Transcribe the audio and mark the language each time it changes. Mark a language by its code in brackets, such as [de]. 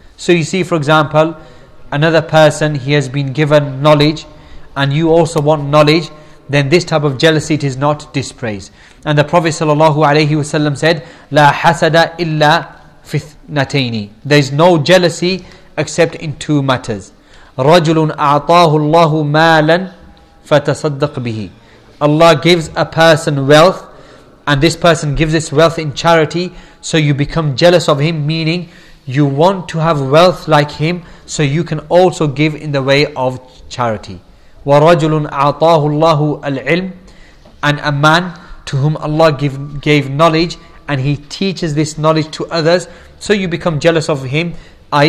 [en] So you see, for example, another person, he has been given knowledge and you also want knowledge, then this type of jealousy, it is not dispraised. And the Prophet sallallahu alayhi wasallam said, [ar] لا حسد إلا في اثنتين. [en] There is no jealousy except in two matters. [ar] رجل أعطاه الله مالا فتصدق به. [en] Allah gives a person wealth, and this person gives his wealth in charity, so you become jealous of him, meaning you want to have wealth like him, so you can also give in the way of charity. [ar] وَرَجُلٌ أَعْطَاهُ اللَّهُ الْعِلْمِ [en] And a man to whom Allah gave knowledge, and he teaches this knowledge to others, so you become jealous of him, i.e.